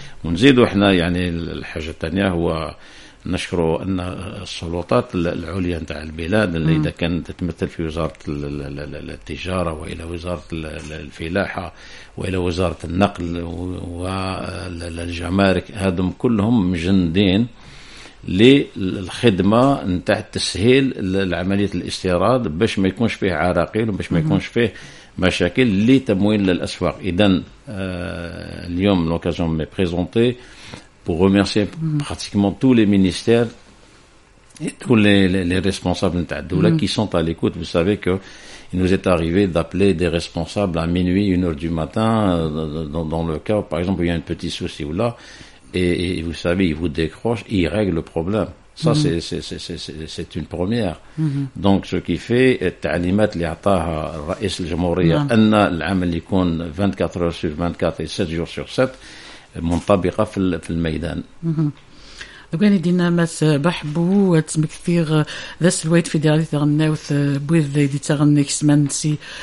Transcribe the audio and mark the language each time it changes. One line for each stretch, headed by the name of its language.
Arabic: ونزيدو حنا يعني الحاجه الثانيه هو نشكروا ان السلطات العليا نتاع البلاد اللي اذا كانت تتمثل في وزاره التجاره والى وزاره الفلاحه والى وزاره النقل والجمارك، هادم كلهم مجندين للخدمة نتاع تسهيل العملية الاستيراد باش ما يكونش فيه عراقيل وباش ما يكونش فيه مشاكل لتمويل الأسواق. إذن اليوم
French: لوكازيون مي بريزونتي pour remercier pratiquement tous les ministères et tous les responsables
Arabic: نتاع الدولة
French: qui sont à l'écoute. Vous savez que il nous est arrivé d'appeler des responsables à minuit, une heure du matin dans le cas par exemple où il y a un petit souci ou là. Et vous savez, ils vous décrochent, ils règlent le problème. Ça, c'est une première. Donc, ce qui fait,
Arabic: تعليمات اللي عطاها رئيس الجمهورية أن العمل يكون
French: 24 heures sur 24 et 7 jours sur 7
Arabic: منطبقة في الميدان. دوغاني دينا ماس بحبو تسمك فيغ ذاس الويت في دياليت غناوث بويذ دي تغنيك سمان سي